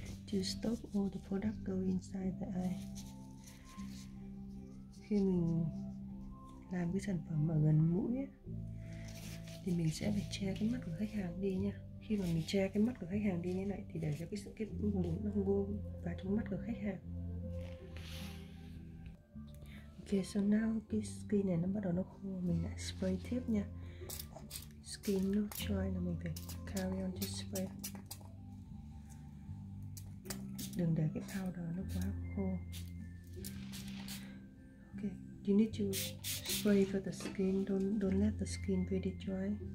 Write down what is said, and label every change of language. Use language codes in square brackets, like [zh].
[en] To stop all the product go inside the eye. [vi] Khi mình làm cái sản phẩm ở gần mũi ấy, thì mình sẽ phải che cái mắt của khách hàng đi nha. Khi mà mình che cái mắt của khách hàng đi như này thì để cho cái sự kết nối nó không vô vào trong mắt của khách hàng. Ok, [en] so now [vi] cái skin này nó bắt đầu nó khô, mình lại spray tiếp nha. [en] Skin look dry [vi] là mình phải [en] carry on to spray. [vi] Đừng để cái powder nó quá khô. [en] Ok, you need to spray for the skin, don't let the skin really dry.